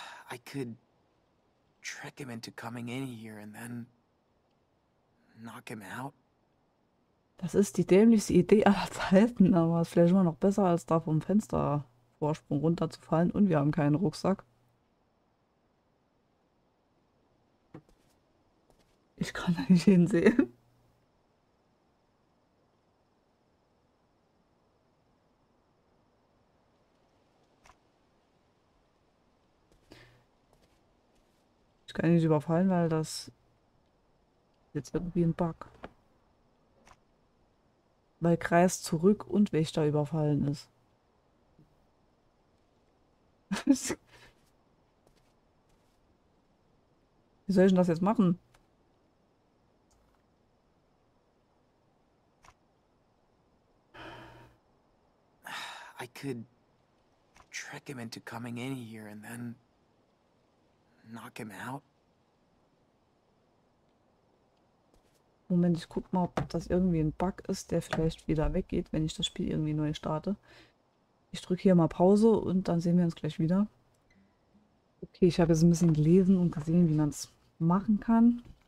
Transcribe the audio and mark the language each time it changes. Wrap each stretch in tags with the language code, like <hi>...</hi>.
<en>I could trick him into coming in here and then knock him out.</en> <de>Das ist die dämlichste Idee aller Zeiten, aber es ist vielleicht immer noch besser als da vom Fenster. Vorsprung runterzufallen und wir haben keinen Rucksack. Ich kann da nicht hinsehen. Ich kann ihn nicht überfallen, weil das ist jetzt irgendwie ein Bug. Weil Kreis zurück und Wächter überfallen ist. Wie soll ich denn das jetzt machen?</de> <en>I could trick him into coming in here and then knock him out.</en> <de>Moment, ich guck mal, ob das irgendwie ein Bug ist, der vielleicht wieder weggeht, wenn ich das Spiel irgendwie neu starte. Ich drücke hier mal Pause und dann sehen wir uns gleich wieder. Okay, ich habe jetzt ein bisschen gelesen und gesehen, wie man es machen kann.</de>